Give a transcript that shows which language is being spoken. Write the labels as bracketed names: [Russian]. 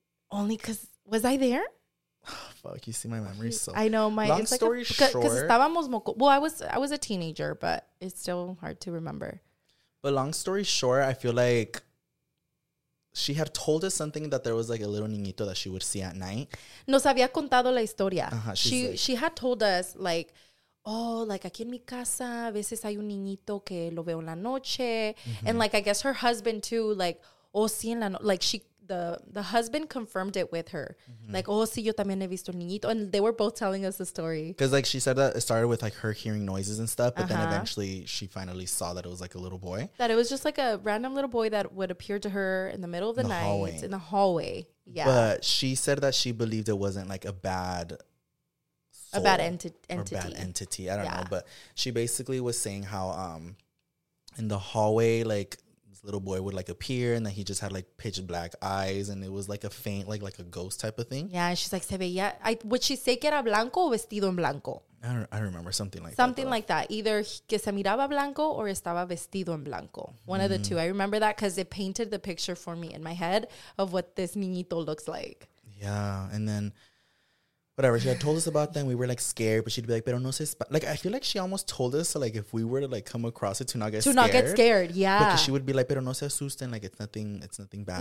[English] Only because, was I there? Oh, fuck, you see my memory so. I know, my. Long story like a, short. Because [Spanish] estábamos moco. [English] Well, I was a teenager, but it's still hard to remember. But long story short, I feel like she had told us something that there was like a little niñito that she would see at night. [Spanish] Nos había contado la historia. [English] She had told us like. Oh, like, [Spanish] aquí en mi casa, a veces hay un niñito que lo veo en la noche. [English] Mm-hmm. And, like, I guess her husband, too, like, oh, [Spanish] sí, en la noche. [English] Like, the husband confirmed it with her. Mm-hmm. [Spanish] Like, oh, sí, yo también he visto el niñito. [English] And they were both telling us the story. Because, like, she said that it started with, like, her hearing noises and stuff. But then eventually she finally saw that it was, like, a little boy. That it was just, like, a random little boy that would appear to her in the middle of the night. Hallway. In the hallway. Yeah. But she said that she believed it wasn't, like, a bad. A bad entity. Or bad entity. I don't know. But she basically was saying how in the hallway, like, this little boy would, like, appear and that he just had, like, pitch black eyes and it was, like, a faint, like a ghost type of thing. Yeah, and she's like, [Spanish] se veía. [English] Would she say [Spanish] que era blanco o vestido en blanco? [English] I don't remember. Something like something that. Something like that. [Spanish] Either que se miraba blanco or estaba vestido en blanco. [English] One of the two. I remember that because it painted the picture for me in my head of what this niñito looks like. Yeah. And then whatever she had told us about them, we were like scared, but she'd be like, [Spanish] pero no se spa. [English] Like, I feel like she almost told us, so, like, if we were to like come across it, to not get scared. Yeah. Because she would be like, [Spanish] pero no se asusten. [English] Like, it's nothing bad.